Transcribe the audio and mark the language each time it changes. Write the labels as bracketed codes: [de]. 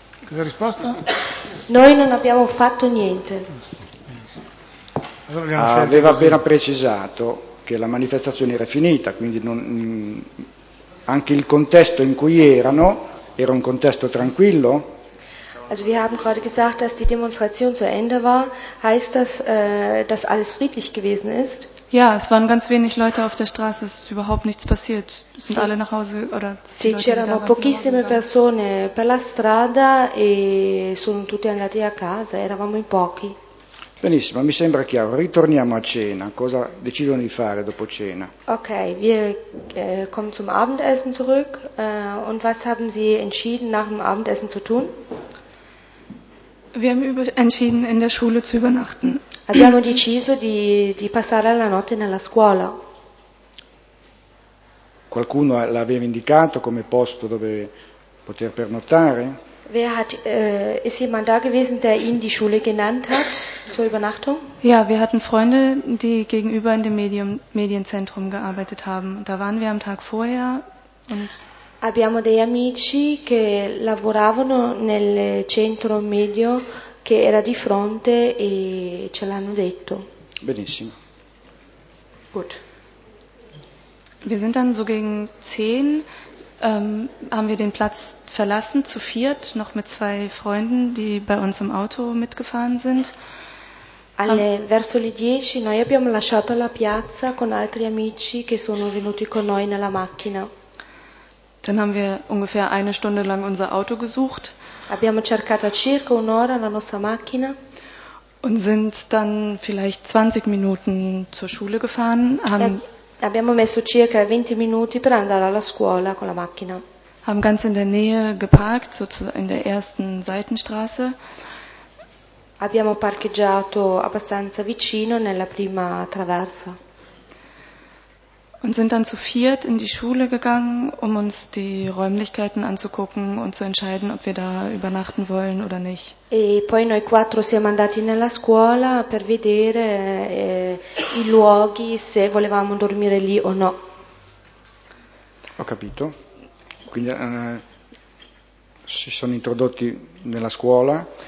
[it] La risposta? Noi non abbiamo fatto niente. Allora, aveva appena precisato che la manifestazione era finita, quindi non, anche il contesto in cui erano era un contesto tranquillo? [de] Also wir haben gerade gesagt, dass die Demonstration zu Ende war. Heißt das, dass alles friedlich gewesen ist? Ja, es waren ganz wenig Leute auf der Straße. Es ist überhaupt nichts passiert. Es sind alle nach Hause oder [it] sì, c'erano pochissime persone per la strada e sono tutte andate a casa. Eravamo in pochi. Benissimo, mi sembra chiaro. Ritorniamo a cena. Cosa decidono di fare dopo cena? [de] Ok, wir kommen zum Abendessen zurück. Und was haben Sie entschieden nach dem Abendessen zu tun? Wir haben entschieden, in der Schule zu übernachten. [it] Abbiamo deciso di passare la notte nella scuola. Qualcuno l'aveva indicato come posto dove poter pernottare? [de] Wer hat, ist jemand da gewesen, der Ihnen die Schule genannt hat zur Übernachtung? Ja, wir hatten Freunde, die gegenüber in dem Medienzentrum gearbeitet haben. Da waren wir am Tag vorher und... [it] Abbiamo dei amici che lavoravano nel centro medio che era di fronte e ce l'hanno detto. Benissimo. [de] Gut. Wir sind dann so gegen 10, haben wir den Platz verlassen, zu viert, noch mit zwei Freunden, die bei uns im Auto mitgefahren sind. [it] Alle verso le 10 noi abbiamo lasciato la piazza con altri amici che sono venuti con noi nella macchina. [de] Dann haben wir ungefähr eine Stunde lang unser Auto gesucht. [it] Abbiamo cercato circa un'ora la nostra macchina. [de] Und sind dann vielleicht 20 Minuten zur Schule gefahren. [it] Abbiamo messo circa 20 minuti per andare alla scuola con la macchina. [de] Haben ganz in der Nähe geparkt, so in der ersten Seitenstraße. [it] Abbiamo parcheggiato abbastanza vicino nella prima traversa. [de] Und sind dann zu viert in die Schule gegangen, um uns die Räumlichkeiten anzugucken und zu entscheiden, ob wir da übernachten wollen oder nicht. [it] E poi noi quattro siamo andati nella scuola per vedere i luoghi, se volevamo dormire lì o no. Ho capito. Quindi si sono introdotti nella scuola.